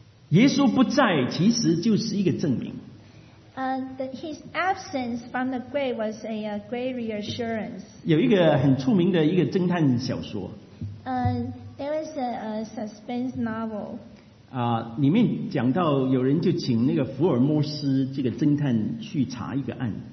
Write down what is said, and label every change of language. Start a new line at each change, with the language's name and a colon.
Chinese: 耶稣不在, 其实就是一个证明。
English: His absence from the grave was a great reassurance.
Chinese: 有一个很出名的一个侦探小说。
English: There was a suspense novel.
Chinese: 里面讲到有人就请那个福尔摩斯这个侦探去查一个案。